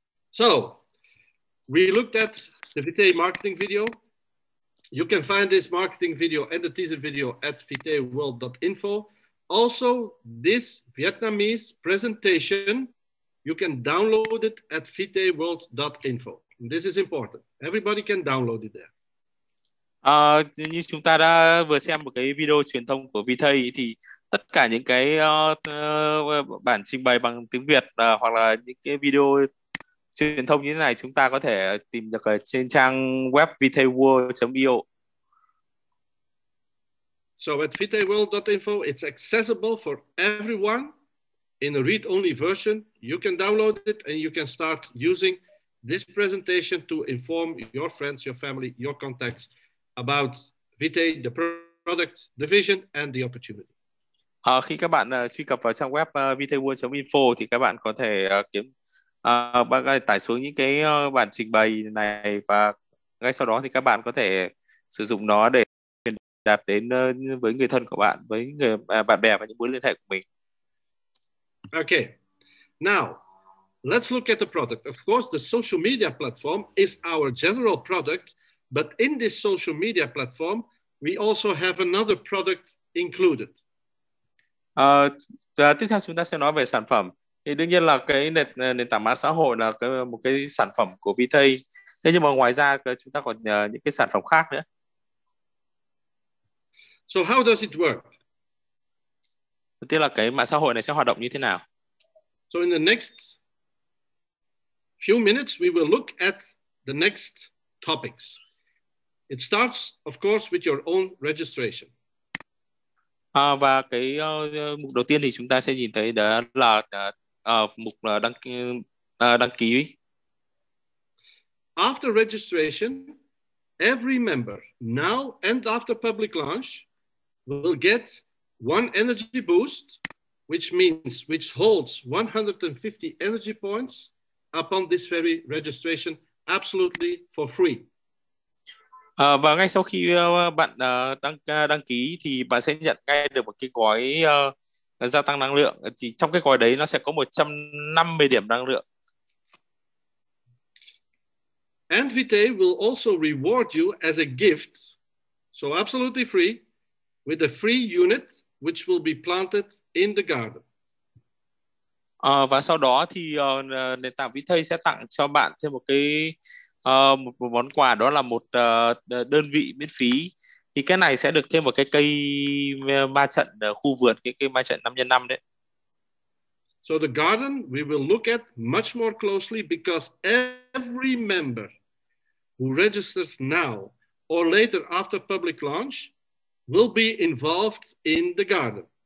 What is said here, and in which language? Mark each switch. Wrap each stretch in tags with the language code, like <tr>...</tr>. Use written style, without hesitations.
<en>So we looked at the Vitae marketing video. You can find this marketing video and the teaser video at vitaeworld.info. Also, this Vietnamese presentation, you can download it at vitaeworld.info. This is important. Everybody can download it there.</en> <vi>Như chúng ta đã vừa xem một cái video truyền thông của Vitae thì tất cả những cái bản trình bày bằng tiếng Việt hoặc là những cái video truyền thông như thế này chúng ta có thể tìm được ở trên trang web vitaeworld.io.</vi> <en>So at vitaeworld.info, it's accessible for everyone in a read-only version. You can download it and you can start using this presentation to inform your friends, your family, your contacts about Vitae, the product, the vision, and the opportunity.</en> <vi>Khi các bạn truy cập vào trang web vitaeworld.info thì các bạn có thể kiếm tải xuống những cái bản trình bày này, và ngay sau đó thì các bạn có thể sử dụng nó để truyền đạt đến với người thân của bạn, với người bạn bè và những mối liên hệ của mình.</vi> <en>Okay, now let's look at the product. Of course, the social media platform is our general product, but in this social media platform, we also have another product included.</en> <vi>Tiếp theo chúng ta sẽ nói về sản phẩm. Thì đương nhiên là cái nền tảng mạng xã hội là một cái sản phẩm của Vitae. Thế nhưng mà ngoài ra chúng ta còn những cái sản phẩm khác nữa.</vi> <en>So how does it work?</en> <vi>Tức là cái mạng xã hội này sẽ hoạt động như thế nào?</vi> <en>So in the next few minutes we will look at the next topics. It starts of course with your own registration.</en> <vi>Và cái mục đầu tiên thì chúng ta sẽ nhìn thấy đó là mục đăng ký.</vi> <en>After registration, every member now and after public launch will get one energy boost, which holds 150 energy points upon this very registration absolutely for free.</en> <vi>Và ngay sau khi bạn đăng ký thì bạn sẽ nhận ngay được một cái gói gia tăng năng lượng. Thì trong cái gói đấy nó sẽ có 150 điểm năng lượng.</vi> <en>And Vitae will also reward you as a gift, so absolutely free, with a free unit which will be planted in the garden.</en> <vi>Và sau đó thì nền tảng Vitae sẽ tặng cho bạn thêm một cái một món quà, đó là một đơn vị miễn phí. Thì cái này sẽ được thêm vào cái cây ma trận khu vườn, cái cây ma trận 5x5 đấy.</vi> <en>So the garden we will look at much more closely, because every member who registers now or later after public launch will be involved in the garden.</en>